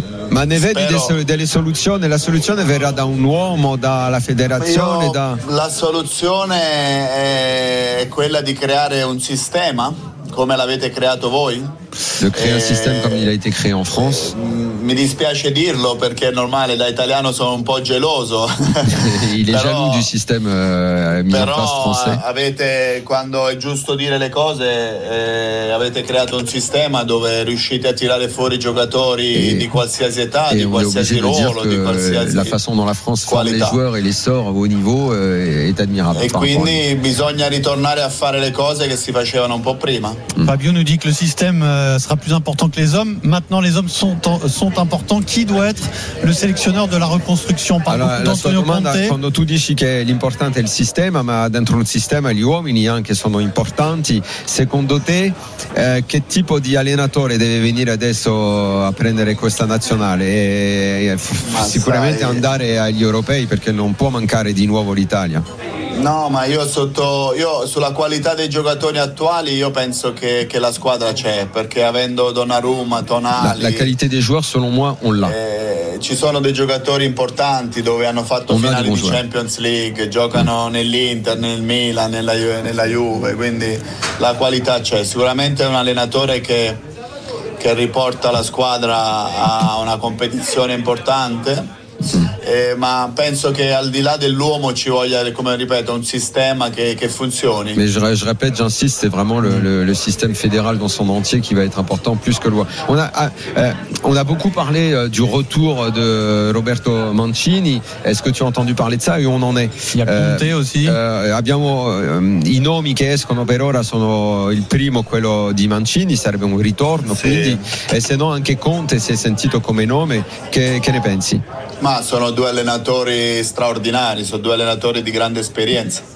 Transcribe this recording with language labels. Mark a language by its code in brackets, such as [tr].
[it] Ma ne vedi delle soluzioni? La soluzione verrà da un uomo, dalla federazione? La soluzione è quella di creare un sistema come l'avete creato voi. [fr] De créer un système comme il a été créé en France. [it] Mi dispiace dirlo perché è normale, da italiano sono un po' geloso. [fr] Il è jaloux du système mis en place français. [it] Avete, quando è giusto dire le cose, avete creato un sistema dove riuscite a tirare fuori giocatori di qualsiasi età, di qualsiasi ruolo, di qualsiasi. [fr] La façon dont la France forme les joueurs et les sort au haut niveau est admirable. [it] E quindi bisogna ritornare a fare le cose che si facevano un po' prima. [fr] Fabio nous dit que le système sera plus important que les hommes. Maintenant, les hommes sont importants. Qui doit être le sélectionneur de la reconstruction? Par contre, Antonio Conte. Quand tu dis que l'important est le système, mais [it] dentro il sistema gli uomini anche sono importanti. Secondo te, che tipo di allenatore deve venire adesso a prendere questa nazionale? Sicuramente andare agli europei, perché non può mancare di nuovo l'Italia. No, ma io sulla qualità dei giocatori attuali, io penso che la squadra c'è, perché avendo Donnarumma, Tonali. La qualità dei giocatori, [fr] selon moi, on l'ha. [it] Ci sono dei giocatori importanti dove hanno fatto [fr] on [it] finali di Champions League, giocano nell'Inter, nel Milan, nella Juve, quindi la qualità c'è. Sicuramente è un allenatore che riporta la squadra a una competizione importante. Ma penso che al di là dell'uomo ci voglia, come ripeto, un sistema che funzioni. [fr] Mais je répète, j'insiste, c'est vraiment le système fédéral dans son entier qui va être important plus que loi. On a beaucoup parlé du retour de Roberto Mancini. Est-ce que tu as entendu parler de ça et où on en est? Il y a Conte aussi. [it] Abbiamo i nomi che escono per ora sono il primo, quello di Mancini, sarebbe un ritorno, sì. Quindi, e se no anche Conte si è sentito come nome, che ne pensi? Ma sono due allenatori straordinari, sono due allenatori di grande esperienza.